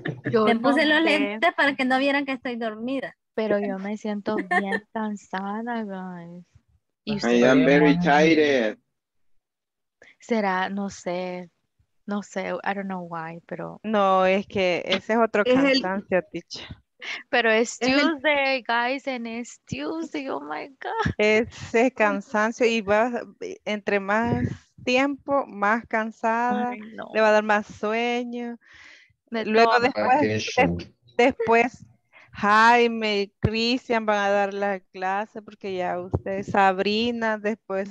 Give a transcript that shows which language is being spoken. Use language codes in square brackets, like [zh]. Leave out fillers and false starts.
[es] Yo me puse los lentes para que no vieran que estoy dormida. Pero yo me siento bien cansada, guys. [en] I am very tired. [es] Será, no sé. No sé, [en] I don't know why, [es] pero... No, es que ese es otro cansancio, teacher. Pero es [en] Tuesday, guys, and it's Tuesday, oh my God. [es] Ese es cansancio y va entre más tiempo, más cansada, le va a dar más sueño. Luego después Jaime, Cristian van a dar la clase porque ya ustedes, Sabrina, después